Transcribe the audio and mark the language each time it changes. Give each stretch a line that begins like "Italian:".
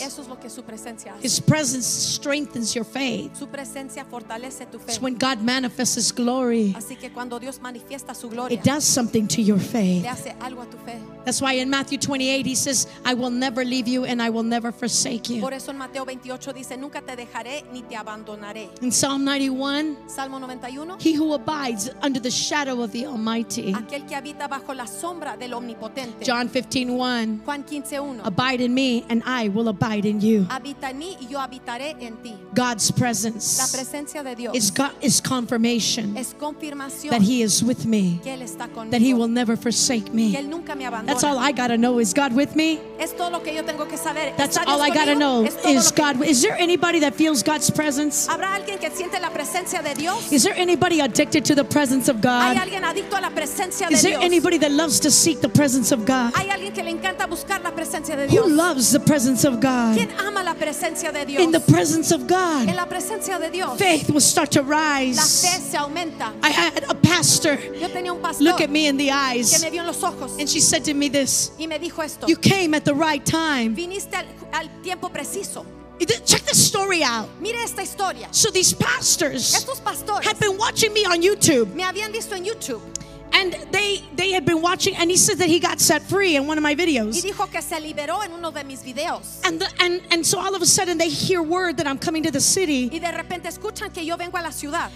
Spanish: Eso es lo que su presencia hace.
English: His presence strengthens your faith.
Spanish: Su presencia fortalece tu fe.
English: It's when God manifests His glory.
Spanish: Así que cuando Dios manifiesta su gloria,
English: it does something to your faith.
Spanish: Le hace algo a tu fe.
English: That's why in Matthew 28 He says, I will never leave you and I will never forsake you.
Spanish: Por eso en Mateo 28 dice, nunca te dejaré ni te abandonaré.
English: In Psalm 91,
Spanish: Salmo 91,
English: He who abides under the shadow of the Almighty.
Spanish: Aquel que habita bajo la sombra del Omnipotente.
English: John 15:1.
Spanish: Juan 15:1.
English: Abide in me and I will abide in you.
Spanish: Habita en mí y yo habitaré en ti.
English: God's presence.
Spanish: La presencia de Dios.
English: Is confirmation.
Spanish: Es confirmación.
English: That He is with me.
Spanish: Que él está conmigo.
English: That He will never forsake me.
Spanish: Que él nunca me abandona.
English: That's all I gotta know. Is God with me?
Spanish: Es todo lo que yo tengo que saber.
English: That's all I gotta know. Is God? Is there anybody that feels God's presence?
Spanish: ¿Habrá alguien que siente la presencia de Dios?
English: Is there anybody addicted to the presence of God?
Spanish: ¿Hay alguien adicto a la presencia de Dios?
English: Is there
Spanish: Dios?
English: Anybody that loves to seek the presence of God?
Spanish: ¿Hay alguien que le encanta buscar la presencia de Dios?
English: Who loves the presence of God?
Spanish: ¿Quién ama la presencia de Dios?
English: In the presence of God,
Spanish: en la presencia de Dios,
English: faith will start to rise.
Spanish: La fe se aumenta.
English: I had a pastor,
Spanish: yo tenía un pastor
English: look at me in the eyes,
Spanish: que me vio en los ojos,
English: and she said to me this,
Spanish: y me dijo esto,
English: you came at the right time.
Spanish: Viniste al tiempo preciso.
English: Check this story out.
Spanish: Mire esta historia.
English: So these pastors,
Spanish: estos pastores,
English: had been watching me on YouTube.
Spanish: Me habían visto en YouTube.
English: And they had been watching, and he said that he got set free in one of my videos.
Spanish: Y dijo que se liberó en uno de mis videos.
English: And so all of a sudden they hear word that I'm coming to the city.
Spanish: Y de repente escuchan que yo vengo a la ciudad.